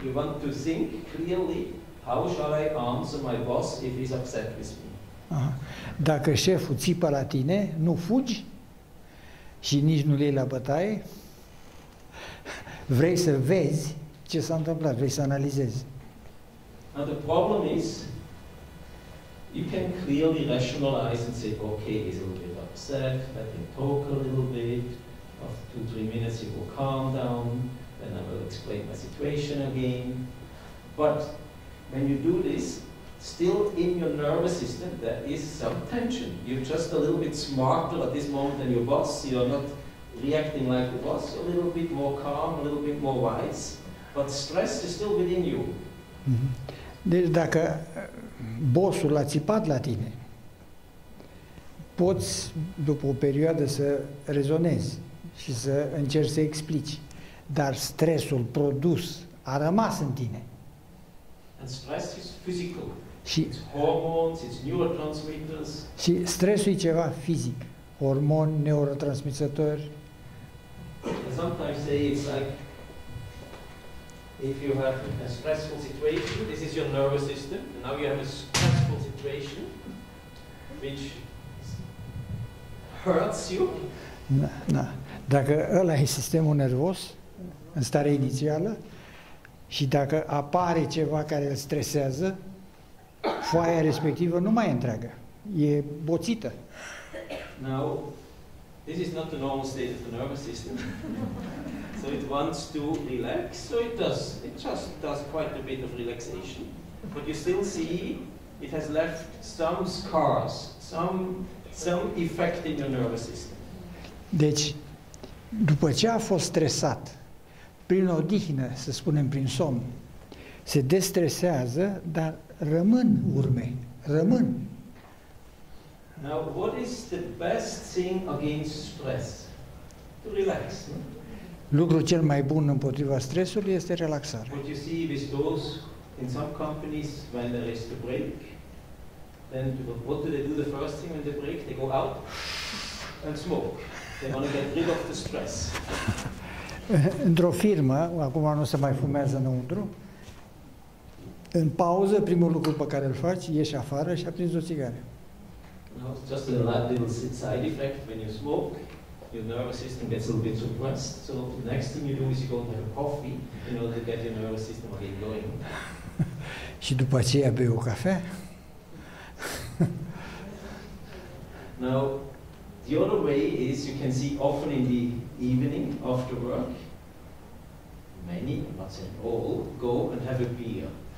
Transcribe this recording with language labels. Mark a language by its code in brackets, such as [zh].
[en] You want to think clearly, how shall I answer my boss if he's upset with me? [ro] Dacă șeful țipă la tine, nu fugi și nici nu-l iei la bătaie, vrei să vezi ce s-a întâmplat, vrei să analizezi. [en] And the problem is, you can clearly rationalize and say, okay, he's a little bit upset, let him talk a little bit, after 2-3 minutes he will calm down, then I will explain my situation again. But when you do this, still in your nervous system, there is some tension. You're just a little bit smarter at this moment than your boss. You're not reacting like the boss. You're a little bit more calm, a little bit more wise. But stress is still within you. Mm-hmm. [ro] Deci dacă bossul a țipat la tine, poți după o perioadă să rezonezi și să încerci să explici. Dar stresul produs a rămas în tine. [en] And stress is physical. [ro] Și [en] it's hormones, it's neurotransmitters. [ro] Și stresul e ceva fizic, hormon, neurotransmițători. [en] Sometimes say it's like if you have a stressful situation, this is your nervous system, and now you have a stressful situation which hurts you. Na, na. [ro] Dacă ăla e sistemul nervos în stare inițială și dacă apare ceva care îl stresează, foaia respectivă nu mai e întreagă, e boțită. [en] Now, this is not the normal state of the nervous system. So it wants to relax, so it does. It just does quite a bit of relaxation. But you still see it has left some scars, some effect in your nervous system. [ro] Deci, după ce a fost stresat, prin odihnă, să spunem, prin somn, se destresează, dar rămân urme, rămân. [en] Now, what is the best thing against stress? To relax. [ro] Lucrul cel mai bun împotriva stresului este relaxarea. [en] What you see with those in some companies when there is the break, then what do? The first thing when they break, they go out and smoke. They want to get rid of the stress. [ro] Într-o firmă, acum nu se mai fumează înăuntru, în pauză, primul lucru pe care îl faci, ieși afară și aprinzi o țigară. [en] No, just a little side effect when you smoke, your nervous system gets a little bit suppressed. So the next thing you do is you go and have a coffee in order to get your nervous system again going. [ro] Și după aceea bei o cafea. [en] Now, the other way is you can see often in the evening after work, many, I'm not saying all, go and have a beer.